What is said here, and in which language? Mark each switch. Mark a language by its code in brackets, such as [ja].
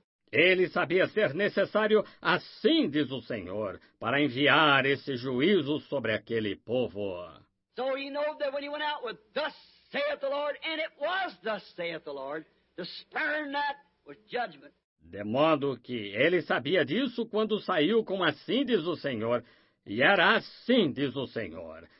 [pt] Ele sabia ser necessário, assim diz o Senhor, para enviar esse juízo sobre aquele povo. [en] So he knew that when he went out with thus saith the Lord, and it was thus saith the Lord, to spurn that with judgment. [pt] De modo que ele sabia disso quando saiu com assim diz o Senhor, e era assim diz o Senhor.